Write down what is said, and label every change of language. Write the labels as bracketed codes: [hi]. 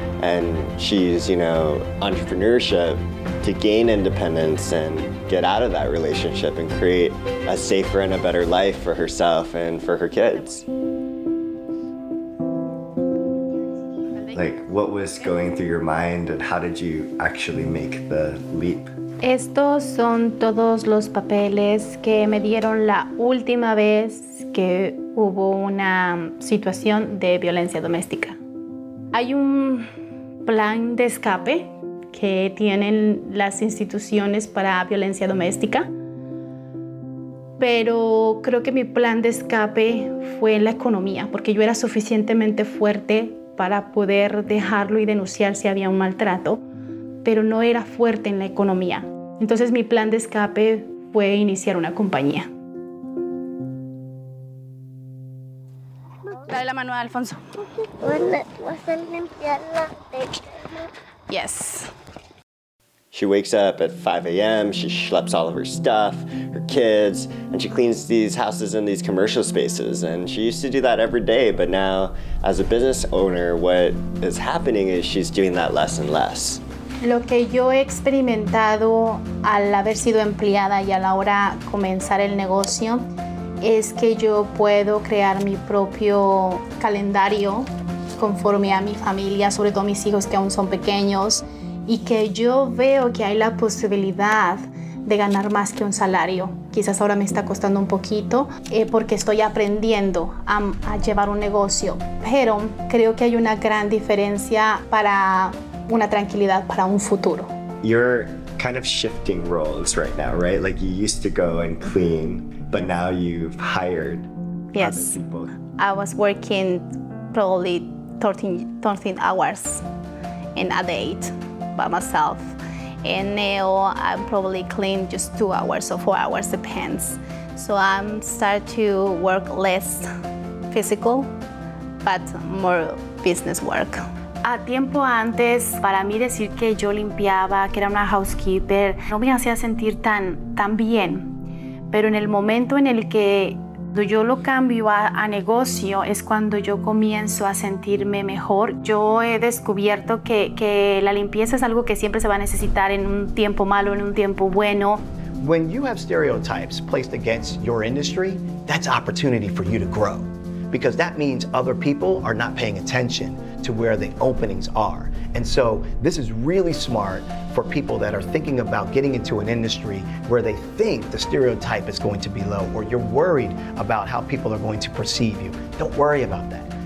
[en] And she's, you know, entrepreneurship to gain independence and get out of that relationship and create a safer and a better life for herself and for her kids. Like, what was going through your mind, and how did you actually make the leap? [es] Estos son todos los papeles que me dieron la última vez que hubo una situación de violencia doméstica. Hay un plan de escape que tienen las instituciones para violencia doméstica, pero creo que mi plan de escape fue la economía, porque yo era suficientemente fuerte para poder dejarlo y denunciar si había un maltrato, pero no era fuerte en la economía. Entonces, mi plan de escape fue iniciar una compañía. Dale la mano a Alfonso. Vas a limpiar la tela. Yes. [en] She wakes up at 5 a.m., she schleps all of her stuff, her kids, and she cleans these houses in these commercial spaces. And she used to do that every day, but now, as a business owner, what is happening is she's doing that less and less. [es] Lo que yo he experimentado al haber sido empleada y a la hora de comenzar el negocio es que yo puedo crear mi propio calendario conforme a mi familia, sobre todo mis hijos que aún son pequeños, y que yo veo que hay la posibilidad de ganar más que un salario. Quizás ahora me está costando un poquito porque estoy aprendiendo a llevar un negocio, pero creo que hay una gran diferencia para una tranquilidad para un futuro. [en] You're kind of shifting roles right now, right? Like you used to go and clean, but now you've hired yes. other people. I was working probably 13 hours in a day by myself. And now I'm probably clean just 2 hours or 4 hours, depends. So I'm start to work less physical, but more business work. [es] A tiempo antes, para mí decir que yo limpiaba, que era una housekeeper, no me hacía sentir tan bien. Pero en el momento en el que yo lo cambio a negocio, es cuando yo comienzo a sentirme mejor. Yo he descubierto que la limpieza es algo que siempre se va a necesitar en un tiempo malo, en un tiempo bueno. [en] When you have stereotypes placed against your industry, that's opportunity for you to grow. Because that means other people are not paying attention to where the openings are. And so this is really smart for people that are thinking about getting into an industry where they think the stereotype is going to be low, or you're worried about how people are going to perceive you. Don't worry about that.